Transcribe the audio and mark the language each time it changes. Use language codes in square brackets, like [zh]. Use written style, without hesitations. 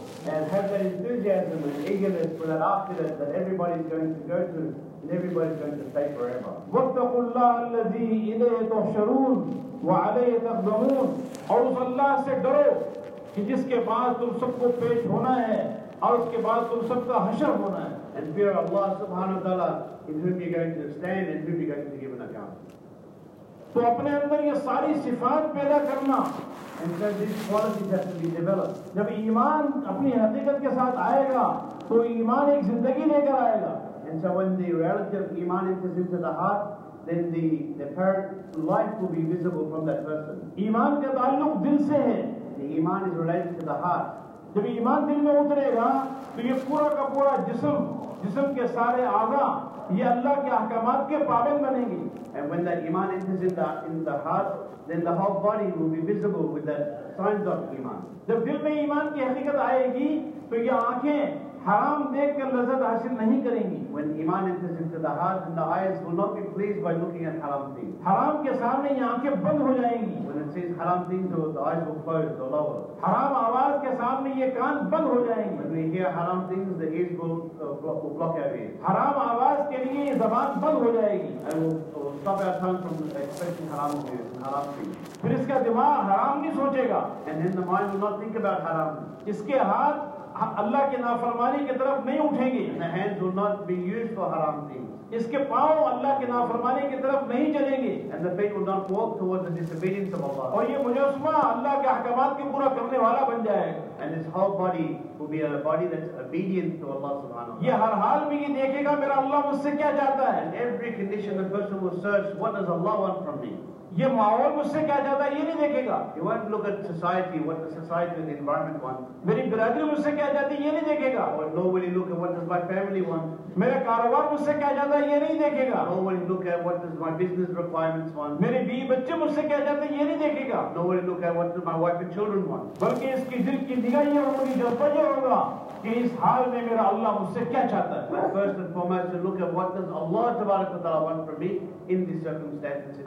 [en] And have that enthusiasm and eagerness for that afterlife that everybody is going to go to and everybody is going to stay forever. [ar] وَاتَّقُوا اللَّهَ الَّذِي إِلَيْهِ تُحْشَرُونَ وَعَلَيْهِ تَقْدَمُونَ, [ur] اور اس اللہ سے ڈرو کہ جس کے بعد تم سب کو پیش ہونا ہے اور اس کے بعد تم سب کا حشر ہونا ہے. [en] And fear Allah subhanahu wa ta'ala in whom you're going to stand and whom you're going to give an account. [ur] تو اپنے اندر یہ ساری صفات پیدا کرنا. [en] And so these qualities have to be developed. [ur] جب ایمان اپنی حقیقت کے ساتھ آئے گا تو ایمان ایک زندگی لے کر آئے گا. [en] And so when the reality of iman enters into the heart, then the apparent life will be visible from that person. [ur] ایمان کا تعلق دل سے ہے. [en] The iman is related to the heart. [ur] جب ایمان دل میں اترے گا تو یہ پورا کا پورا جسم کے سارے اعضاء یہ اللہ کے احکامات کے پابند بنیں گے. [en] And when that iman enters into the heart, then the whole body will be visible with the signs of iman. [ur] جب دل میں ایمان کی حقیقت آئے گی تو یہ آنکھیں حرام دیکھ کر لذت حاصل نہیں کریں گی. [en] When iman enters into the heart, then the eyes will not be pleased by looking at haram things. [ur] حرام کے سامنے یہ آنکھیں بند ہو جائیں گی. [en] When it sees haram things, so the eyes will close, the lower. [ur] حرام آواز کے سامنے یہ کان بند ہو جائیں گی. [en] When we hear haram things, the ears will block our ears. [ur] حرام آواز کے لیے یہ زبان بند ہو جائے گی. [en] And we'll stop our tongue from expressing haram views and haram things. [ur] پھر اس کا دماغ حرام نہیں سوچے گا. [en] And then the mind will not think about haram. [ur] اس کے ہاتھ اللہ کے نافرمانی کی طرف نہیں اٹھیں گے. [en] The hands will not be used for haram things. [ur] اس کے پاؤں اللہ کے نافرمانی کی طرف نہیں چلیں گے. [en] And the feet will not walk towards the disobedience of Allah. [ur] اور یہ مجسمہ اللہ کے احکامات کے پورا کرنے والا بن جائے. [en] And this whole body will be a body that's obedient to Allah subhanahu wa ta'ala. [ur] یہ ہر حال میں یہ دیکھے گا میرا اللہ مجھ سے کیا چاہتا ہے. [en] In every condition the person will search, what does Allah want from me? [ur] یہ ماحول مجھ سے کیا چاہتا ہے یہ نہیں دیکھے گا. [en] He won't look at society, what the society and the environment want. [ur] میری برادری مجھ سے کیا چاہتی یہ نہیں دیکھے گا. [en] Or nobody look at what does my family want. [ur] میرا کاروبار مجھ سے کیا چاہتا ہے یہ نہیں دیکھے گا. [en] Nobody look at what does my business requirements want. [ur] میرے بیوی بچے مجھ سے کیا چاہتے ہیں یہ نہیں دیکھے گا. [en] Nobody look at what does my wife and children want. [ur] بلکہ اس کی دل کی نگاہ یہ ہوگی جو توجہ ہوگا کہ اس حال میں میرا اللہ مجھ سے کیا چاہتا ہے. [en] But first and foremost, to look at what does Allah تبارک و تعالی want from me in this circumstance.